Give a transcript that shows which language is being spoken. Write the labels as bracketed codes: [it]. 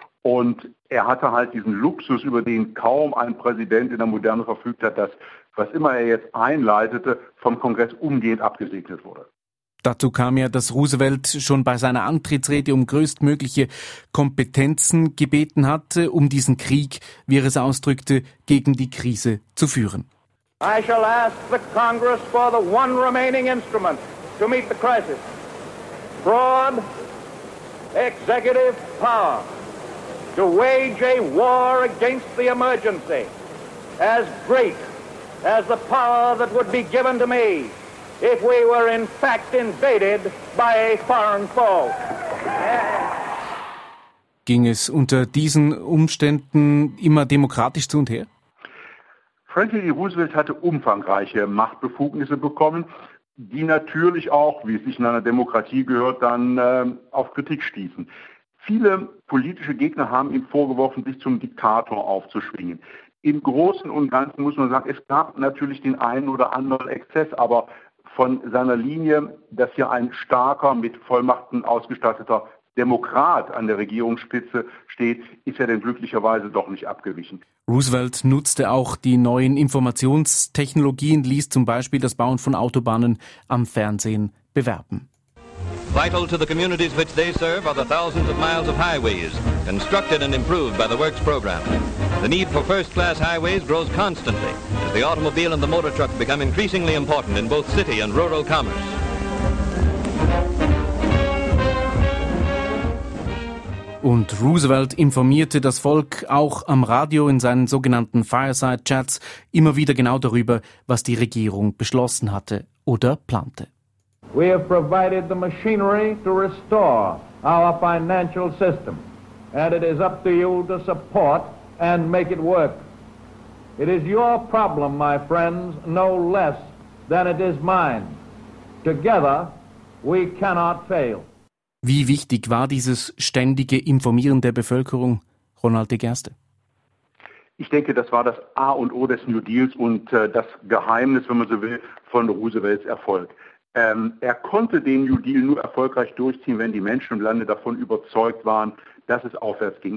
[de] Und er hatte halt diesen Luxus, über den kaum ein Präsident in der Moderne verfügt hat, dass, was immer er jetzt einleitete, vom Kongress umgehend abgesegnet wurde. Dazu kam ja, dass Roosevelt schon bei seiner Antrittsrede um größtmögliche Kompetenzen gebeten hatte, um diesen Krieg, wie er es ausdrückte, gegen die Krise zu führen. [en] I shall ask the Congress for the one remaining instrument to meet the crisis. Broad executive power to wage a war against the emergency as great as the power that would be given to me if we were in fact invaded by a foreign foe. [de] Ging es unter diesen Umständen immer demokratisch zu und her? Franklin D. Roosevelt hatte umfangreiche Machtbefugnisse bekommen, die natürlich auch, wie es sich in einer Demokratie gehört, dann auf Kritik stießen. Viele politische Gegner haben ihm vorgeworfen, sich zum Diktator aufzuschwingen. Im Großen und Ganzen muss man sagen, es gab natürlich den einen oder anderen Exzess, aber von seiner Linie, dass hier ein starker, mit Vollmachten ausgestatteter Demokrat an der Regierungsspitze steht, ist er denn glücklicherweise doch nicht abgewichen. Roosevelt nutzte auch die neuen Informationstechnologien, ließ zum Beispiel das Bauen von Autobahnen am Fernsehen bewerben. [en] Vital to the communities which they serve are the thousands of miles of highways, constructed and improved by the Works Program. The need for first-class highways grows constantly, as the automobile and the motor truck become increasingly important in both city and rural commerce. [de] Und Roosevelt informierte das Volk auch am Radio in seinen sogenannten Fireside-Chats immer wieder genau darüber, was die Regierung beschlossen hatte oder plante. [en] We have provided the machinery to restore our financial system, and it is up to you to support and make it work. It is your problem, my friends, no less than it is mine. Together we cannot fail. [de] Wie wichtig war dieses ständige Informieren der Bevölkerung, Ronald de Gerste? Ich denke, das war das A und O des New Deals und das Geheimnis, wenn man so will, von Roosevelts Erfolg. Er konnte den New Deal nur erfolgreich durchziehen, wenn die Menschen im Lande davon überzeugt waren, dass es aufwärts ging.